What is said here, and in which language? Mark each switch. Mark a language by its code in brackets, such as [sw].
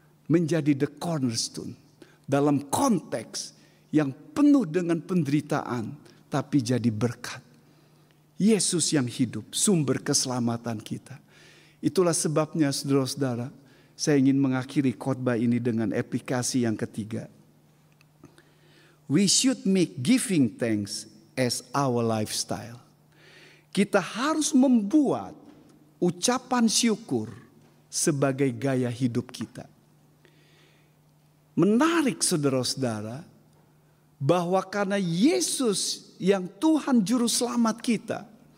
[id] Menjadi [en] the cornerstone [id] dalam konteks yang penuh dengan penderitaan tapi jadi berkat. Yesus yang hidup, sumber keselamatan kita. Itulah sebabnya saudara-saudara, saya ingin mengakhiri khotbah ini dengan aplikasi yang ketiga. [en] We should make giving thanks as our lifestyle. [id] Kita harus membuat ucapan syukur sebagai gaya hidup kita. Menarik saudara-saudara bahwa karena Yesus yang Tuhan Juru Selamat kita.